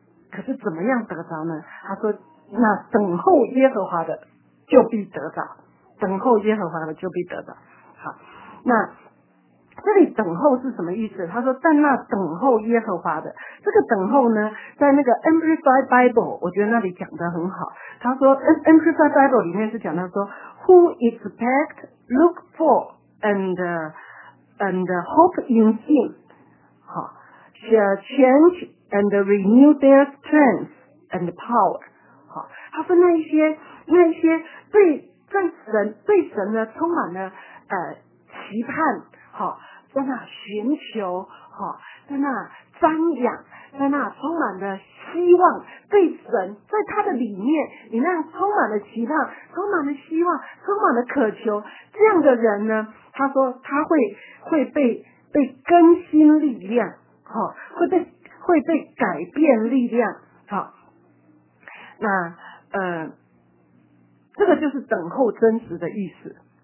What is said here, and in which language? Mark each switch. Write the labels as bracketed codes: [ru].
[zh] 可是怎么样得着呢？他说，那等候耶和华的就必得着，等候耶和华的就必得着。好，那这里等候是什么意思？他说，但那等候耶和华的，这个等候呢，在那个 Amplified Bible 我觉得那里讲得很好。他说 Amplified Bible 里面是讲到说 [en] Who expect, look for, and hope in him, shall change and renew their strength and power. [zh] 他说那一些对神呢充满了期盼，在那寻求，在那瞻仰，在那充满了希望，对神在他的里面，你那充满了期盼，充满了希望，充满了渴求，这样的人呢，他说他会被更新力量，会被改变力量，好，那这个就是等候真实的意思。